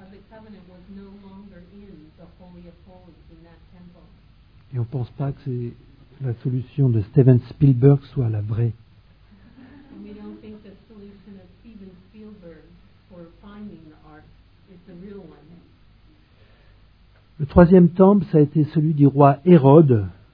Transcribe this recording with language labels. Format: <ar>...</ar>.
<en>Of the covenant was no longer in the Holy of Holies in that temple.</en> <fr>Et on pense pas que c'est la solution de Steven Spielberg soit la vraie.</fr> <en>And we don't think the solution of Steven Spielberg for finding the ark is the real one.</en> <fr>Le troisième temple, ça a été celui du roi Hérode.</fr>